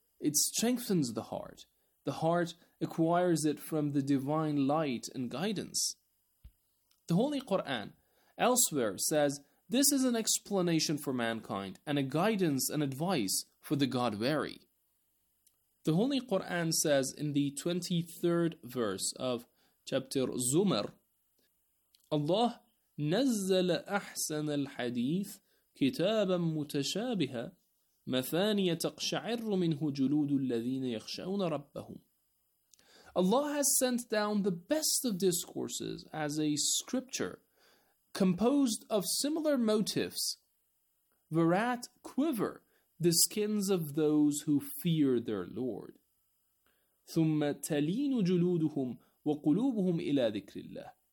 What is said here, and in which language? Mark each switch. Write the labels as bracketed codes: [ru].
[en] It strengthens the heart. The heart acquires it from the divine light and guidance. The Holy Quran elsewhere says, this is an explanation for mankind and a guidance and advice for the God-wary. The Holy Quran says in the 23rd verse of chapter Zumar, [ar] Allah نزل أحسن الحديث كتابا متشابها مثانية تقشعر منه جلود الذين يخشون ربهم. [en] Allah has sent down the best of discourses as a scripture composed of similar motifs, whereat quiver the skins of those who fear their Lord. [ar] ثُمَّ تَلِينُ جُلُودُهُمْ وَقُلُوبُهُمْ إِلَىٰ ذِكْرِ اللَّهِ.